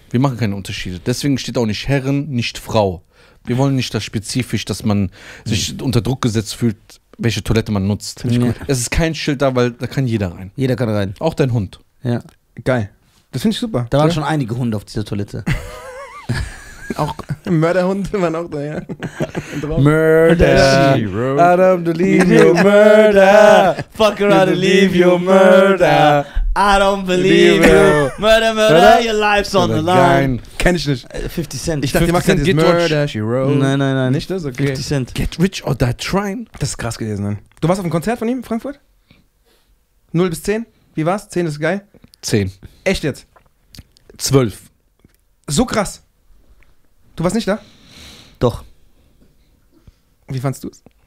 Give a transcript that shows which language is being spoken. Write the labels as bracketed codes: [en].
[de] Wir machen keine Unterschiede. Deswegen steht auch nicht Herren, nicht Frau. Wir wollen nicht das spezifisch, dass man sich unter Druck gesetzt fühlt, welche Toilette man nutzt. Nee. Es ist kein Schild da, weil da kann jeder rein. Jeder kann rein. Auch dein Hund. Ja. Geil. Das finde ich super. Da waren schon einige Hunde auf dieser Toilette. Auch Mörderhunde waren auch da, ja. [en] Murder, I don't believe you, murder. Fuck around and leave you, murder. I don't believe you. Murder, murder, your life's on the line. [de] Kenn ich nicht. 50 Cent. Ich dachte, die macht dieses Murder, she wrote. Nein, nein, nein. Nicht das, okay. [en] 50 Cent. Get rich or die trying. [de] Das ist krass gewesen, Mann. Du warst auf einem Konzert von ihm in Frankfurt? 0 bis 10? Wie war's? 10 ist geil? 10. Echt jetzt? 12. So krass. Du warst nicht da? Doch. Wie fandst du es?